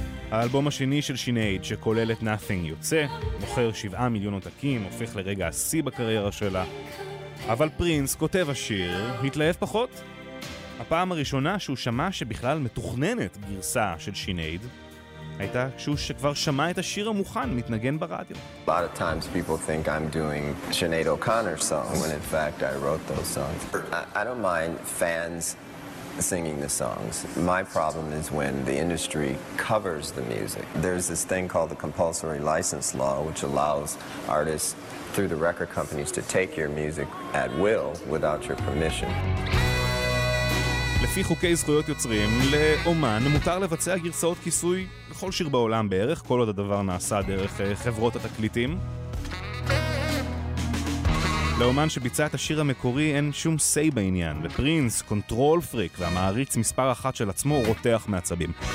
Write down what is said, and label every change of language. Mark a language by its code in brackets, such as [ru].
[he] האלבום השני של שינייד, שכולל את Nothing, יוצא, מוכר 7 מיליון עותקים, הופך לרגע השיא בקריירה שלה. אבל פרינס, כותב השיר, התלהב פחות. הפעם הראשונה שהוא שמע שבכלל מתוכננת גרסה של שינייד, הייתה כשהוא שכבר שמע את השיר המוכן מתנגן ברדיו. [en] A lot of times people think I'm doing Sinead O'Connor's song, when in fact I wrote those songs. I don't mind fans singing the songs. My problem is when the industry covers the music. There's this thing called the compulsory license law, which allows artists through the record companies to take your music at will without your permission. [he] לפי חוקי זכויות יוצרים, לאומן מותר לבצע גרסאות כיסוי לכל שיר בעולם בערך, כל עוד הדבר נעשה דרך חברות התקליטים. לאומן שביצע את השיר המקורי אין שום סיי בעניין, ופרינס, קונטרול פריק והמעריץ מספר אחת של עצמו רותח מעצבים.